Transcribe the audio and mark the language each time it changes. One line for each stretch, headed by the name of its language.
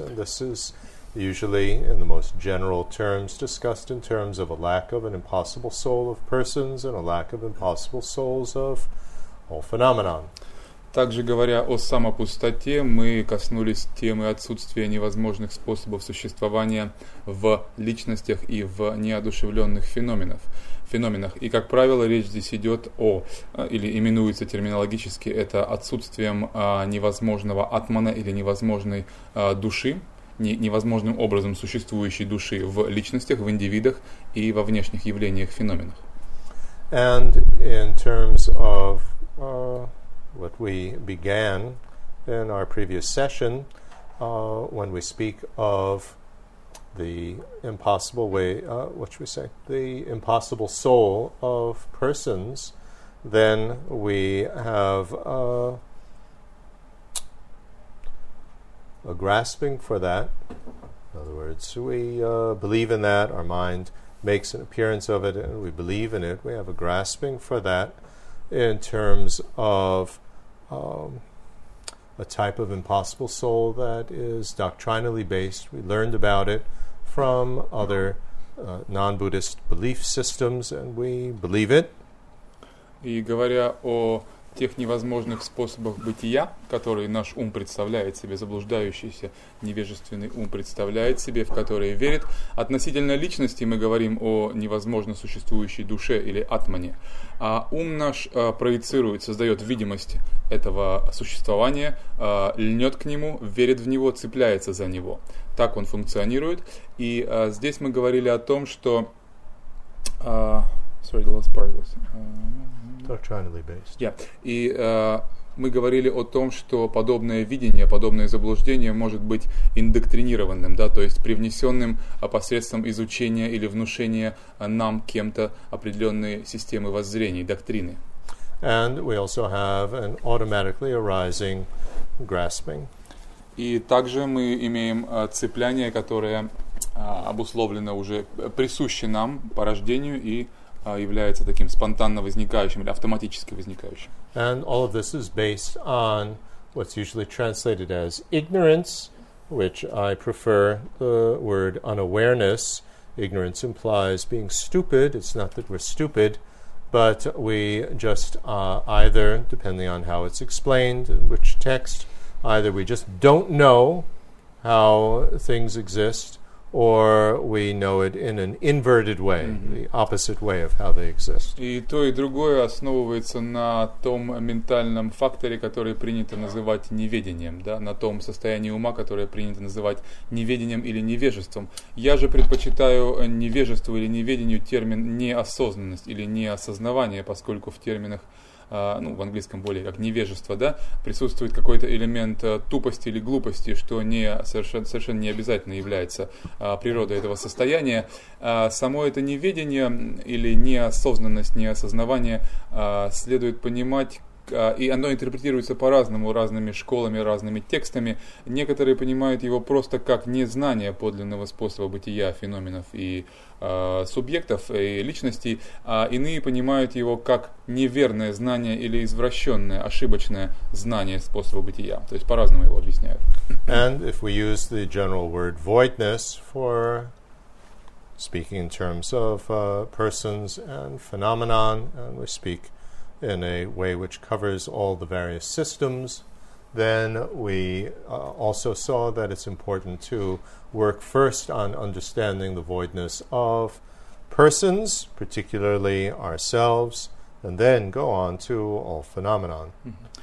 English: And this is usually, in the most general terms, discussed in terms of a lack of an impossible soul of persons and a lack of impossible souls of all phenomena.
Russian: Также говоря о самопустоте, мы коснулись темы отсутствия невозможных способов существования в личностях и в неодушевленных феноменах. И, как правило, речь здесь идет о, или именуется терминологически, это отсутствием невозможного атмана или невозможной души, невозможным образом существующей души в личностях, в индивидах и во внешних явлениях, феноменах.
English: And in terms of what we began in our previous session, when we speak of the impossible way, what should we say? The impossible soul of persons, then we have a grasping for that. In other words, we believe in that, our mind makes an appearance of it, and we believe in it. We have a grasping for that in terms of a type of impossible soul that is doctrinally based. We learned about it from other non-Buddhist belief systems, and we believe it.
Russian: И говоря о тех невозможных способах бытия, которые наш ум представляет себе, заблуждающийся невежественный ум представляет себе, в которые верит. Относительно личности мы говорим о невозможно существующей душе или атмане. А ум наш проецирует, создает видимость этого существования, льнет к нему, верит в него, цепляется за него. Так он функционирует. И здесь мы говорили о том, что...
English: Sorry, the last part was... Doctrinally based. Yeah.
Russian: И мы говорили о том, что подобное видение, подобное заблуждение может быть индоктринированным, да, то есть привнесенным посредством изучения или внушения нам кем-то определенной системы воззрений, доктрины.
English: And we also have an automatically arising grasping.
Russian: И также мы имеем цепляние, которое обусловлено уже, присуще нам по рождению и является таким спонтанно возникающим или автоматически возникающим.
English: And all of this is based on what's usually translated as ignorance, which I prefer the word unawareness. Ignorance implies being stupid. It's not that we're stupid, but we just either, depending on how it's explained, which text, either we just don't know how things exist, or we know it in an inverted way, mm-hmm. the opposite way of how they exist.
Russian: И то, и другое основывается на том ментальном факторе, который принято называть неведением, да, на том состоянии ума, которое принято называть неведением или невежеством. Я же предпочитаю невежеству или неведению термин неосознанность или неосознавание, поскольку в терминах ну, в английском более как невежество, да, присутствует какой-то элемент тупости или глупости, что не, совершенно не обязательно является природой этого состояния. Само это неведение или неосознанность, неосознавание следует понимать, и оно интерпретируется по-разному, разными школами, разными текстами. Некоторые понимают его просто как незнание подлинного способа бытия феноменов и субъектов и личностей, а иные понимают его как неверное знание или извращенное, ошибочное знание способа бытия. То есть по-разному его объясняют.
English: And if we use the general word voidness for speaking in terms of persons and phenomenon, and we speak in a way which covers all the various systems, then we also saw that it's important to work first on understanding the voidness of persons, particularly ourselves, and then go on to all phenomenon. Mm-hmm.